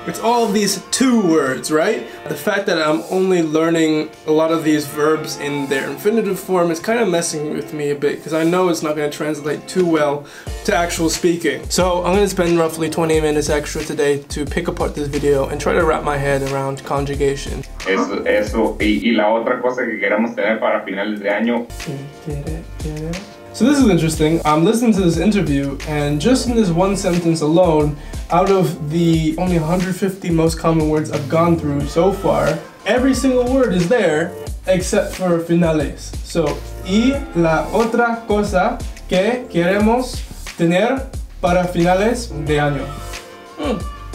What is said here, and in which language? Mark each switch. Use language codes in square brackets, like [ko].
[en] It's all of these two words, right? The fact that I'm only learning a lot of these verbs in their infinitive form is kind of messing with me a bit, because I know it's not going to translate too well to actual speaking. So I'm going to spend roughly 20 minutes extra today to pick apart this video and try to wrap my head around conjugation. [es] Eso. Y la otra cosa que queremos tener para finales de año. [en] So this is interesting. I'm listening to this interview, and just in this one sentence alone, out of the only 150 most common words I've gone through so far, every single word is there except for finales. [es] So, y la otra cosa que queremos tener para finales de año.